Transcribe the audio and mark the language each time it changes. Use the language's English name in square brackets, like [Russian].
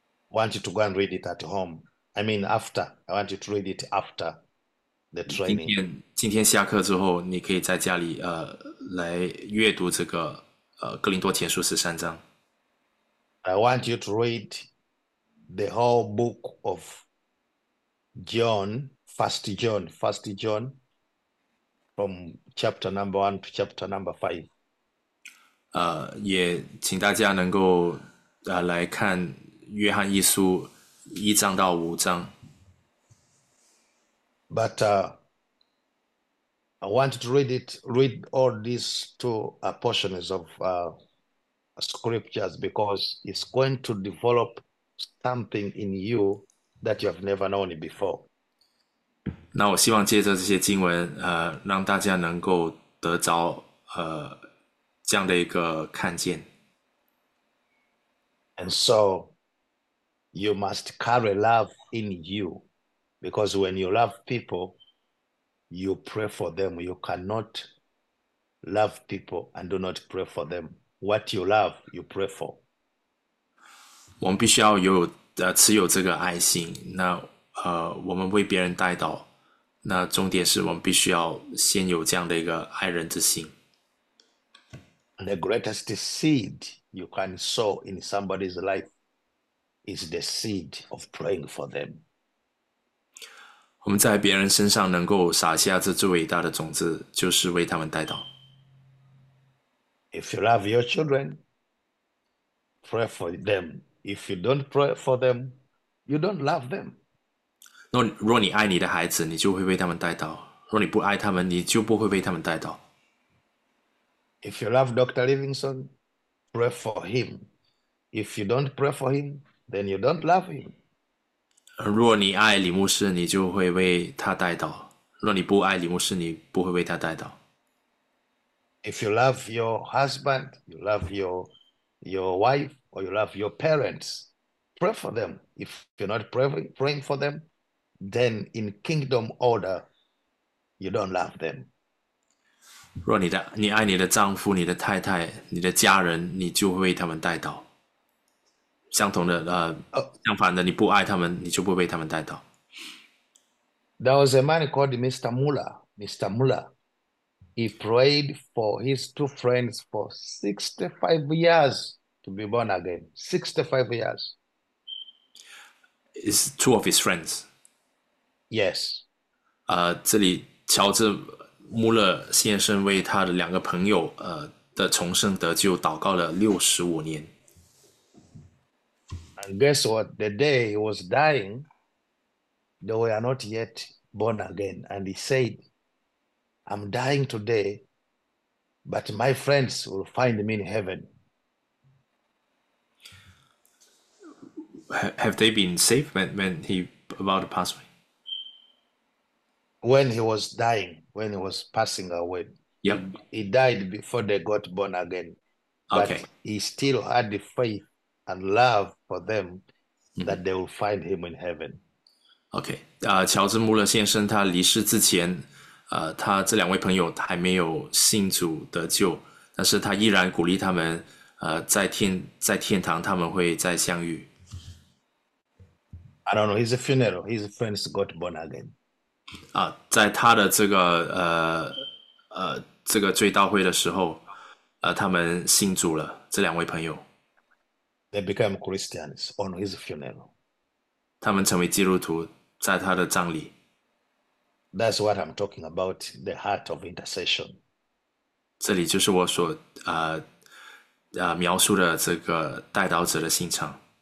[English] I want you to go and read it at home. I mean, after. I want you to read it after the training. [Chinese] 今天下课之后，你可以在家里来阅读这个。 《哥林多前书》13章。 [English] I want you to read the whole book of John, 1 John, from chapter number 1 to chapter number 5. [Chinese] 也请大家能够来看《约翰一书》1章到5章。 [English] But I want to read all these two portions of scriptures because it's going to develop something in you that you have never known before. [Chinese] 那我希望借着这些经文，让大家能够得着这样的一个看见。 [English] And so you must carry love in you because when you love people, you pray for them. You cannot love people and do not pray for them. What you love, you pray for. [Chinese] 我们必须要持有这个爱心。那我们为别人代祷。那重点是我们必须要先有这样的一个爱人之心。 [English] The greatest seed you can sow in somebody's life is the seed of praying for them. [Chinese] 我们在别人身上能够撒下这最伟大的种子，就是为他们代祷。 [English] If you love your children, pray for them. If you don't pray for them, you don't love them. [Chinese] 若你爱你的孩子，你就会为他们带刀；若你不爱他们，你就不会为他们带刀。 [English] If you love Dr. Livingstone, pray for him. If you don't pray for him, then you don't love him. [Chinese] 若你爱李牧师，你就会为他带刀；若你不爱李牧师，你不会为他带刀。 [English] If you love your husband, you love your wife, or you love your parents, pray for them. If you're not praying for them, then in kingdom order, you don't love them. [Chinese] 若你爱你的丈夫、你的太太、你的家人，你就会为他们代祷。相反的，你不爱他们，你就不为他们代祷。 [English] There was a man called Mr. Muller. Mr. Muller. He prayed for his two friends for 65 years to be born again. 65 years. It's two of his friends. Yes. [Chinese] 这里乔治·穆勒先生为他的两个朋友的重生得救祷告了65年。 [English] And guess what? The day he was dying, they were not yet born again. And he said, I'm dying today, but my friends will find me in heaven. Have they been safe when he about to pass away? When he was dying, when he was passing away, he died before they got born again. But he still had the faith and love for them that they will find him in heaven. [Chinese] 乔治·穆勒先生他离世之前，他这两位朋友还没有信主得救，但是他依然鼓励他们，在天堂，他们会再相遇。 [English] I don't know, his funeral, his friends got born again. [Chinese] 在他的这个追悼会的时候，他们信主了，这两位朋友， [English] They became Christians on his funeral. [Chinese] 他们成为基督徒，在他的葬礼， [English] That's what I'm talking about, the heart of intercession. [Chinese] 这里就是我所描述的这个代祷者的心肠。